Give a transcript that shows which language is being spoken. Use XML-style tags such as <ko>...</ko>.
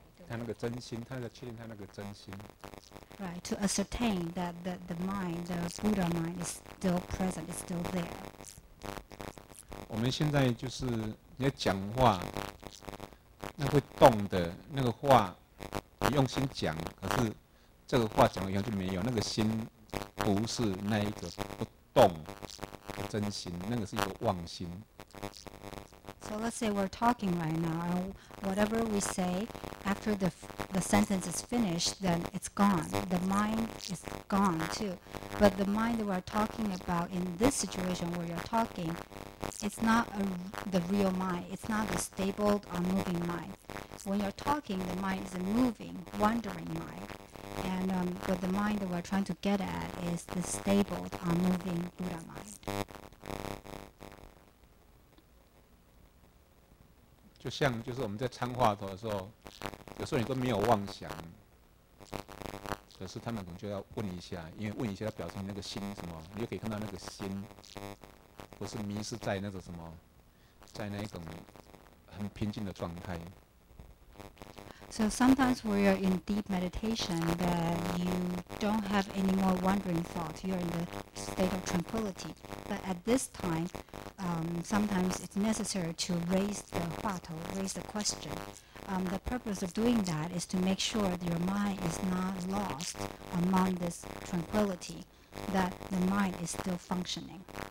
<en>Right, to ascertain that the mind, the Buddha mind is still present, is still there.</en> <zh>我们现在就是你在讲话，那会动的那个话，你用心讲，可是这个话讲了以后就没有，那个心不是那一个不动的真心，那个是一个妄心。</zh> <en>So let's say we're talking right now, and whatever we say, after the sentence is finished, then it's gone. The mind is gone too. But the mind that we're talking about in this situation where you're talking, it's not the real mind. It's not the stable, unmoving mind. When you're talking, the mind is a moving, wandering mind. And but the mind that we're trying to get at is the stable, unmoving Buddha mind.</en> <zh>就像就是我们在参话头的时候，有时候你都没有妄想，可是他们可能就要问一下，因为问一下要表示你那个心什么，你就可以看到那个心不是迷失在那种什么，在那一种很平静的状态。</zh> <en>So sometimes when you're in deep meditation, then you don't have any more wandering thoughts. You're in the state of tranquility. But at this time, sometimes it's necessary to raise the 话头, raise the question. The purpose of doing that is to make sure that your mind is not lost among this tranquility, that the mind is still functioning.</en>